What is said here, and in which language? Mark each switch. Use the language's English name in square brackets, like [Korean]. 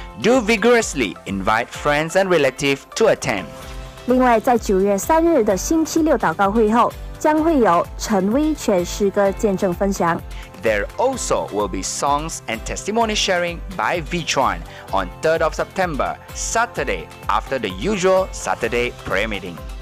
[English] Do vigorously invite friends and relatives to attend. [Chinese] 另外在9月3日的星期六祷告会后将会有陈威全诗歌见证分享。 [English] There also will be songs and testimony sharing by V Chuan on 3rd of September, Saturday, after the usual Saturday prayer meeting.